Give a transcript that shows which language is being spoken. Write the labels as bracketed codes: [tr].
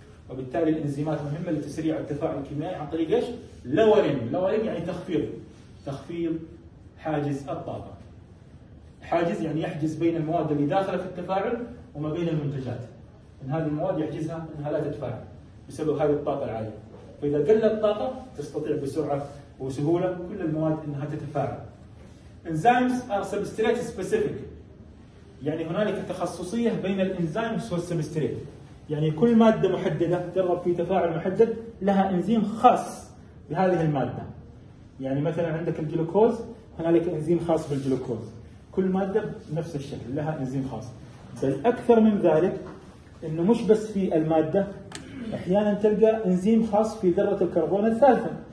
[ar] وبالتالي الإنزيمات مهمة لتسريع التفاعل الكيميائي عن طريق إيش؟ لورين يعني تخفيض حاجز الطاقة. حاجز يعني يحجز بين المواد اللي داخلة في التفاعل وما بين المنتجات. إن هذه المواد يحجزها إنها لا تتفاعل بسبب هذه الطاقة العالية. فإذا قل الطاقة تستطيع بسرعة وسهولة كل المواد إنها تتفاعل. [en] Enzymes are substrate specific. [ar] يعني هنالك تخصصية بين الإنزيمات والسبستريت. يعني كل مادة محددة تجرب في تفاعل محدد لها إنزيم خاص بهذه المادة. يعني مثلا عندك الجلوكوز هنالك إنزيم خاص بالجلوكوز. كل مادة نفس الشكل لها إنزيم خاص. بل أكثر من ذلك إنه مش بس في المادة أحيانا تلقى إنزيم خاص في ذرة الكربون الثالثة.